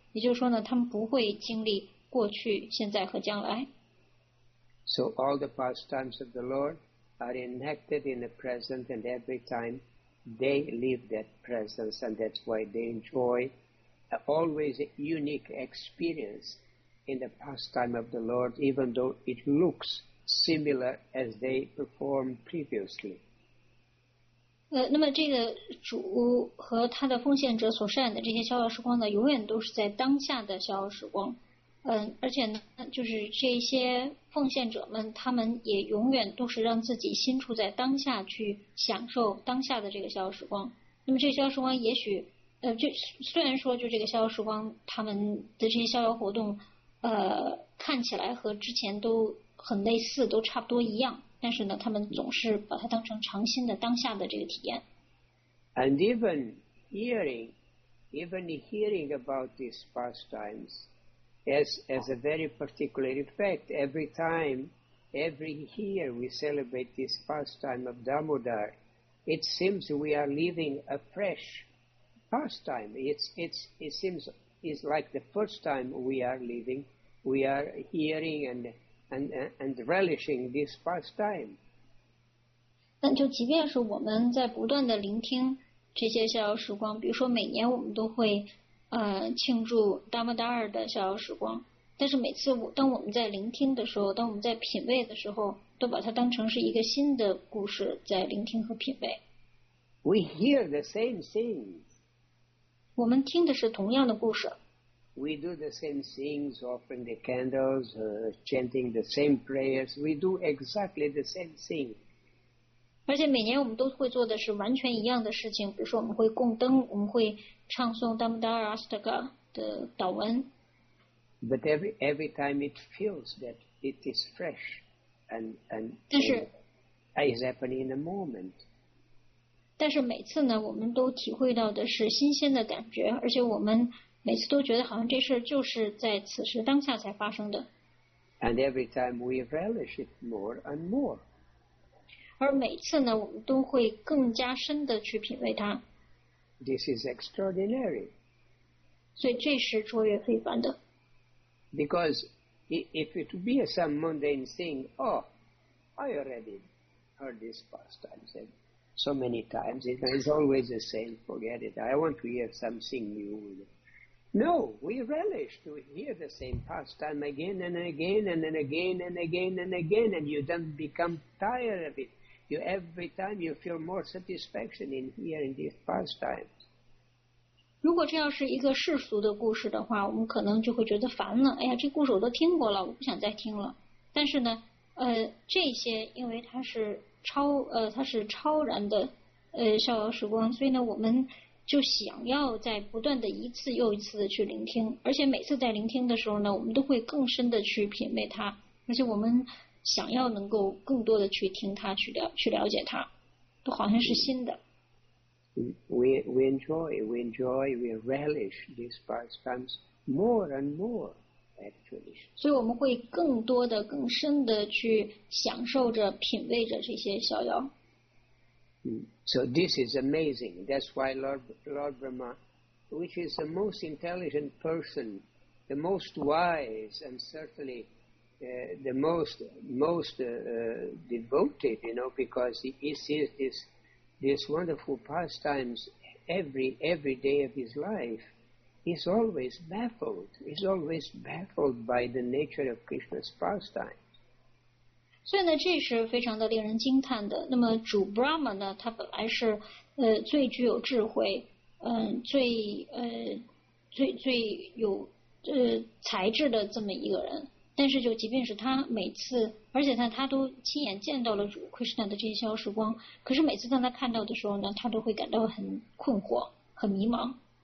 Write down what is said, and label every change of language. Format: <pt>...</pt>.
<zh>也就是说呢，他们不会经历过去、现在和将来。</zh> <en>So all the pastimes of the Lord are enacted in the present, and every time they live that presence, and that's why they enjoy always a unique experience in the pastime of the Lord, even though it looks similar as they performed previously.</en> <zh>那么这个主和他的奉献者所饰演的这些逍遥时光呢，永远都是在当下的逍遥时光。而且呢，就是这些奉献者们，他们也永远都是让自己心处在当下，去享受当下的这个逍遥时光。那么这个逍遥时光也许就虽然说就这个逍遥时光，他们的这些逍遥活动看起来和之前都很类似，都差不多一样，但是呢，他们总是把它当成常新的当下的这个体验。</zh> <en>And even hearing about these pastimes as a very particular effect, every time, every year we celebrate this pastime of Damodar, it seems we are living a fresh pastime. It seems like the first time we are living, we are hearing and relishing this pastime.</en> <zh>但就即便是我们在不断的聆听这些逍遥时光，比如说每年我们都会庆祝达摩达尔的逍遥时光，但是每次当我们在聆听的时候，当我们在品味的时候，都把它当成是一个新的故事在聆听和品味。</zh> <en>We hear the same things.</en> <zh>我们听的是同样的故事。</zh> <en>We do the same things, offering the candles, chanting the same prayers. We do exactly the same thing.</en> <zh>而且每年我们都会做的是完全一样的事情，比如说我们会供灯，我们会唱诵达摩达尔阿斯特嘎的祷文。</zh> <en>But every time it feels that it is fresh and is happening in a moment.</en> <zh>但是每次呢，我们都体会到的是新鲜的感觉，而且我们每次都觉得好像这事就是在此时当下才发生的。</zh> <en>And every time we relish it more and more.</en> <zh>而每次呢，我们都会更加深的去品味它。</zh> <en>This is extraordinary.</en> <zh>所以这是卓越非凡的。</zh> <en>Because if it be some mundane thing, oh, I already heard this pastime said so many times. It's always the same. Forget it. I want to hear something new. No, we relish to hear the same pastime again and again and again and again and again and again, and you don't become tired of it. You every time you feel more satisfaction in hearing these pastimes.</en> <zh>如果这要是一个世俗的故事的话，我们可能就会觉得烦了。哎呀，这故事我都听过了，我不想再听了。但是呢，这些因为它是超然的逍遥时光，所以呢，我们就想要在不断的一次又一次的去聆听，而且每次在聆听的时候呢，我们都会更深的去品味它，而且我们想要能够更多的去听它，去了解它，都好像是新的。</zh> <en>We enjoy, we relish these pastimes more and more, actually.</en> <zh>所以我们会更多的、更深的去享受着、品味着这些逍遥。</zh> <en>So this is amazing. That's why Lord Brahma, which is the most intelligent person, the most wise, and certainly the most devoted, you know, because he sees these wonderful pastimes every day of his life, he's always baffled. He's always baffled by the nature of Krishna's pastimes.</en> <zh>所以呢，这是非常的令人惊叹的。那么主 Brahma 呢，他本来是最具有智慧，最有才智的这么一个人。但是就即便是他每次，而且他都亲眼见到了主 Krishna 的这些逍遥时光，可是每次当他看到的时候呢，他都会感到很困惑，很迷茫。</zh>